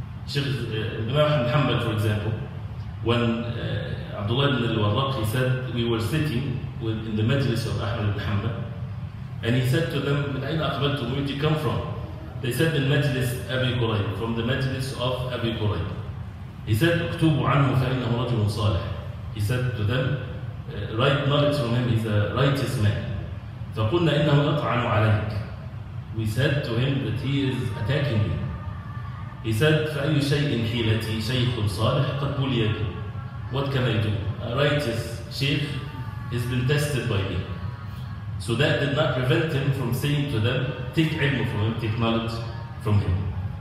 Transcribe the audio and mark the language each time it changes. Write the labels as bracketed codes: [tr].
[en] Sheikh Muhammad, for example, when Abdullah ibn al-Warraq, he said, we were sitting in the majlis of Ahmad ibn Hanbal, and he said to them, [ar] من أين أقبلتم, [en] where did you come from? They said, [ar] من مجلس أبي قريب, [en] from the majlis of Abi Qurayb. He said, [ar] اكتوبوا عنه فإنه رجل صالح. [en] He said to them, write knowledge from him, he's a righteous man. [ar] فقلنا إنه أطعن عليك. [en] We said to him that he is attacking you. He said, [ar] فأي شيء حيلتي شيخ صالح قد بولي بي. [en] What can I do? A righteous sheikh has been tested by me. So that did not prevent him from saying to them, take ilm from him, take knowledge from him.